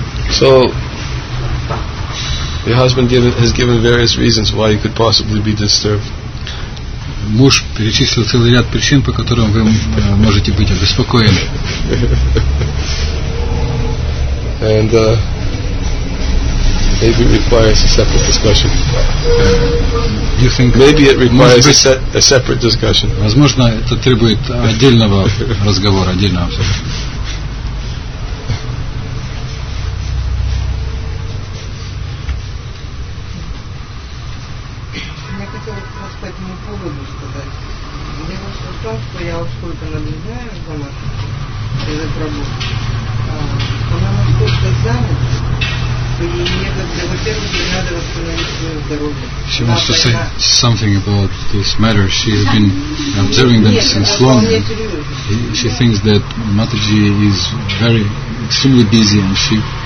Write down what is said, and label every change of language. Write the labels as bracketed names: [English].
[English] So your husband has given various reasons why you could possibly be disturbed. [Russian] Муж перечислил целый ряд причин, по которым вы можете быть обеспокоены. [English] And maybe it requires a separate discussion. You think maybe it requires a separate discussion. [Russian] Возможно, это требует отдельного разговора, отдельного обсуждения. Мне хотелось вас по этому поводу сказать. Дело в том, что я вот сколько наблюдаю за нашей работы. Она настолько занята. [English] She wants to say something about this matter. She's been observing them since long. She thinks that Mataji is very extremely busy, and she